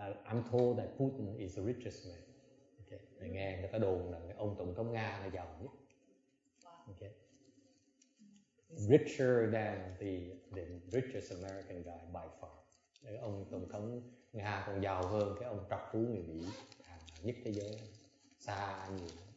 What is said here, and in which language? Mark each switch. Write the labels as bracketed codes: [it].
[en] I'm told that Putin is the richest man. Okay. [vi] Nghe người ta đồn là ông tổng thống Nga là giàu nhất. [en] Okay. Richer than the richest American guy by far. [vi] Cái ông tổng thống Nga còn giàu hơn cái ông trọc phú người Mỹ nhất thế giới xa nhiều.